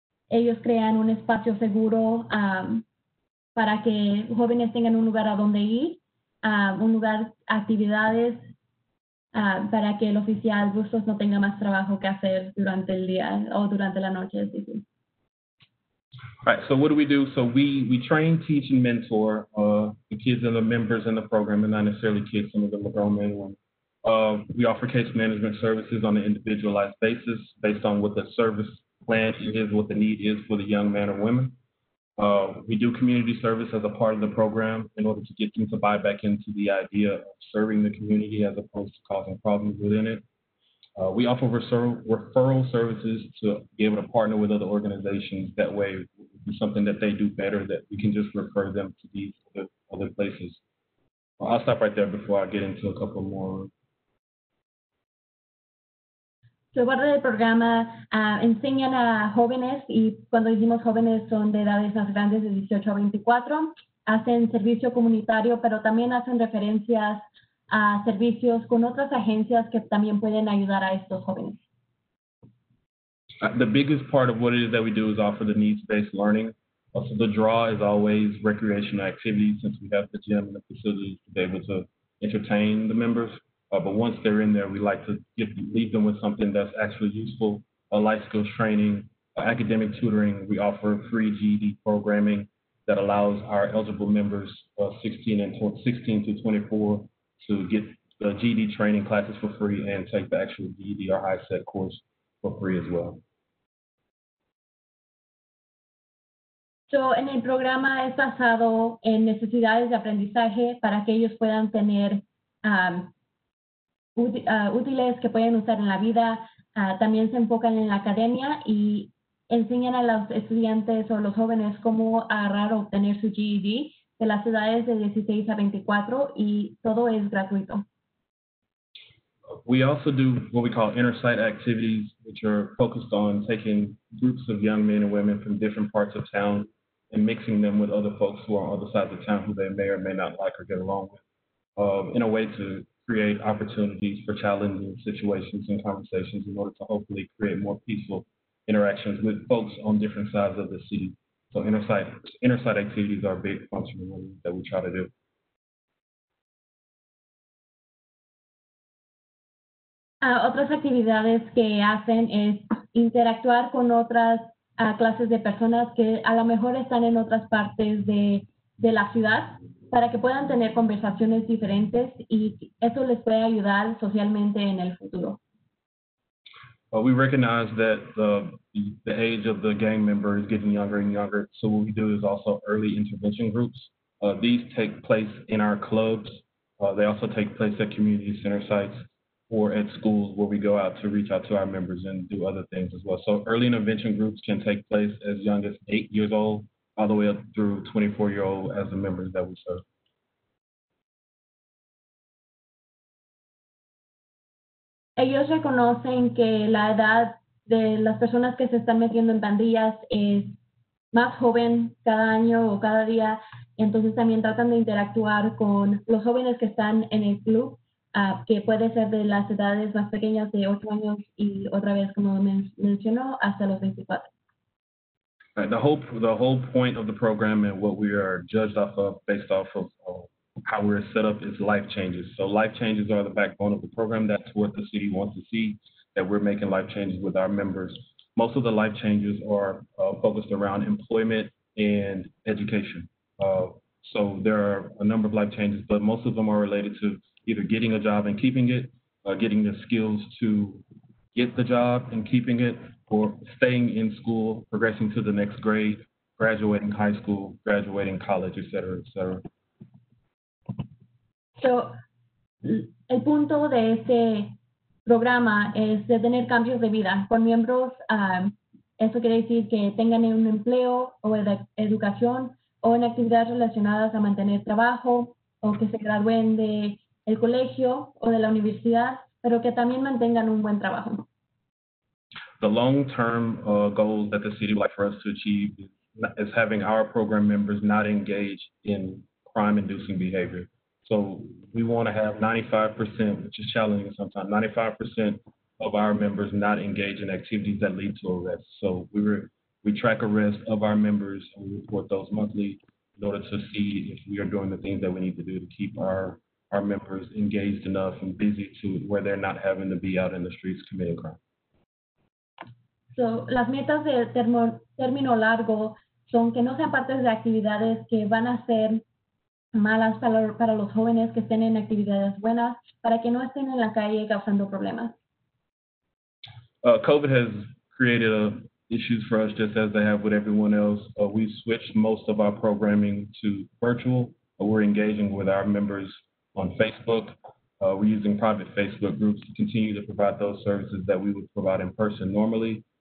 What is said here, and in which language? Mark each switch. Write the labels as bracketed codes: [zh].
[es] Ellos crean un espacio seguro para que jóvenes tengan un lugar a donde ir, un lugar, actividades, para que el oficial Bustos no tenga más trabajo que hacer durante el día o durante la noche. Sí, sí. [en] Right, so what do? So we train, teach, and mentor the kids and the members in the program, and not necessarily kids, some of them are grown men. We offer case management services on an individualized basis based on what the service plan is, what the need is for the young man or women. We do community service as a part of the program in order to get them to buy back into the idea of serving the community as opposed to causing problems within it. We offer referral services to be able to partner with other organizations. That way, it's something that they do better that we can just refer them to these other places. Well, I'll stop right there before I get into a couple more. [es] So parte del programa enseñan a jóvenes, y cuando decimos jóvenes son de edades más grandes de 18 a 24, hacen servicio comunitario, pero también hacen referencias a servicios con otras agencias que también pueden ayudar a estos jóvenes. [en] The biggest part of what it is that we do is offer the needs-based learning. Also, the draw is always recreational activities, since we have the gym and the facilities to be able to entertain the members. But once they're in there, we like to leave them with something that's actually useful, life skills training, academic tutoring. We offer free GED programming that allows our eligible members 16 to 24 to get the GED training classes for free and take the actual GED or high set course for free as well. [es] So, en el programa es basado en necesidades de aprendizaje para que ellos puedan tener útiles que pueden usar en la vida. También se enfocan en la academia y enseñan a los estudiantes o los jóvenes cómo agarrar o obtener su GED de las edades de 16 a 24, y todo es gratuito. [en] We also do what we call inter-site activities, which are focused on taking groups of young men and women from different parts of town and mixing them with other folks who are on the other side of the town who they may or may not like or get along with, in a way to create opportunities for challenging situations and conversations in order to hopefully create more peaceful interactions with folks on different sides of the city. So inter-site activities are a big function that we try to do. [es] Otras actividades que hacen es interactuar con otras clases de personas que a lo mejor están en otras partes de la ciudad, para que puedan tener conversaciones diferentes, y eso les puede ayudar socialmente en el futuro. [en] Well, we recognize that the age of the gang member is getting younger and younger, so what we do is also early intervention groups. These take place in our clubs. They also take place at community center sites or at schools, where we go out to reach out to our members and do other things as well. So early intervention groups can take place as young as 8 years old, all the way up through 24-year-old as the members that we serve. [es] Ellos reconocen que la edad de las personas que se están metiendo en pandillas es más joven cada año o cada día, entonces también tratan de interactuar con los jóvenes que están en el club, que puede ser de las edades más pequeñas de 8 años y otra vez, como mencionó, hasta los 24. [en] The whole point of the program and what we are judged off of based off of how we're set up is life changes. So life changes are the backbone of the program. That's what the city wants to see, that we're making life changes with our members. Most of the life changes are focused around employment, and education. So there are a number of life changes, but most of them are related to either getting a job and keeping it, getting the skills to get the job and keeping it, or staying in school, progressing to the next grade, graduating high school, graduating college, et cetera, et cetera. [es] So el punto de este programa es de tener cambios de vida. Con miembros, eso quiere decir que tengan un empleo o educación o en actividades relacionadas a mantener trabajo o que se gradúen de el colegio o de la universidad, pero que también mantengan un buen trabajo. [en] The long-term goal that the city would like for us to achieve is having our program members not engage in crime-inducing behavior. So we want to have 95%, which is challenging sometimes, 95% of our members not engage in activities that lead to arrests. So we track arrests of our members and we report those monthly in order to see if we are doing the things that we need to do to keep our members engaged enough and busy to where they're not having to be out in the streets committing crime. [es] So, las metas de término largo son que no sean partes de actividades que van a ser malas para los jóvenes que estén en actividades buenas, para que no estén en la calle causando problemas. [en] COVID has created issues for us just as they have with everyone else. We switched most of our programming to virtual. We're engaging with our members on Facebook. We're using private Facebook groups to continue to provide those services that we would provide in person normally.